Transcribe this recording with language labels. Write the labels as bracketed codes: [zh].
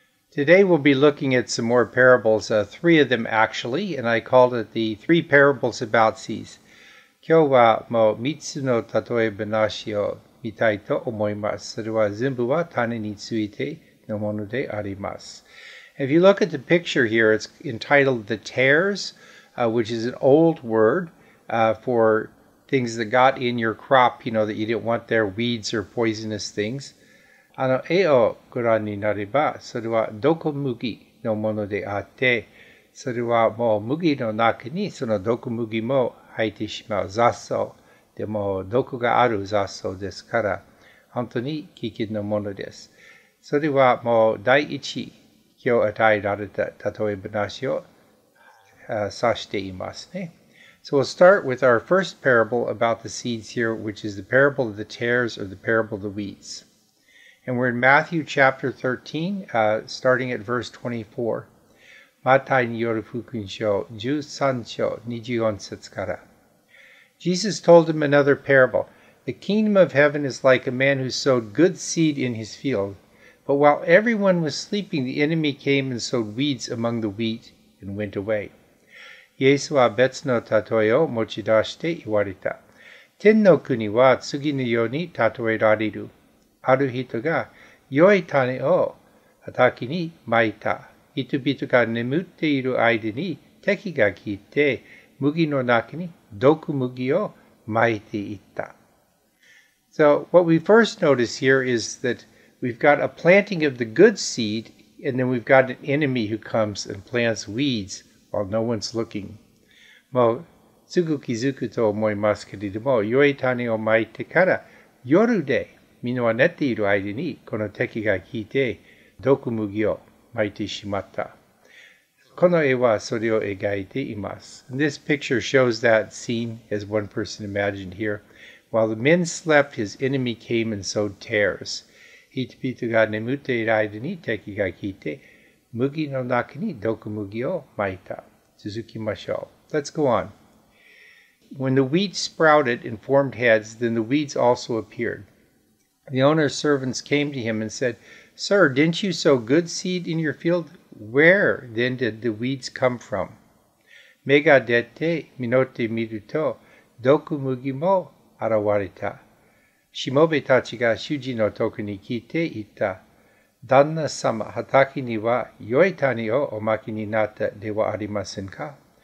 [en] Today we'll be looking at some more parables, three of them actually, and I called it the three parables about seas. [ja] 今日はもう3つのたとえ話を見たいと思います。それは全部は種についてのものであります。 [en] If you look at the picture here, it's entitled The Tares, which is an old word for things that got in your crop, you know, that you didn't want there, weeds or poisonous things. [ja] あの絵をご覧になれば、それは毒麦のものであって、それはもう麦の中にその毒麦も入ってしまう雑草。でも毒がある雑草ですから、本当に危険なものです。それはもう第一、今日与えられた例え話を指していますね。 [en] So we'll start with our first parable about the seeds here, which is the parable of the tares or the parable of the weeds. And we're in Matthew chapter 13, starting at verse 24. [ja] マタイによる福音書13章24節から。 [en] Jesus told him another parable. The kingdom of heaven is like a man who sowed good seed in his field. But while everyone was sleeping, the enemy came and sowed weeds among the wheat and went away. [ja] イエスは別の例えを持ち出して言われた。天の国は次のように例えられる。ある人が良い種を畑に撒いた。人々が眠っている間に敵が来て、麦の中に毒麦を撒いていった。 [en] So what we first notice here is that we've got a planting of the good seed, and then we've got an enemy who comes and plants weeds while no one's looking. [ja] もうすぐ気づくと思いますけれども、良い種を撒いてから夜で、みんなは寝ている間にこの敵が来て毒麦を撒いてしまった。この絵はそれを描いています。 [en] And this picture shows that scene as one person imagined here. While the men slept, his enemy came and sowed tares. [ja] 人々が眠っている間に敵が来て麦の中に毒麦を撒いた。続きましょう。 [en] Let's go on. When the wheat sprouted and formed heads, then the weeds also appeared. The owner's servants came to him and said, Sir, didn't you sow good seed in your field? Where then did the weeds come from? [ja] 芽が出て実ってみると、毒麦も現れた。しもべたちが主人のとこに来て言った。旦那様、畑には良い種をおまきになったではありませんか?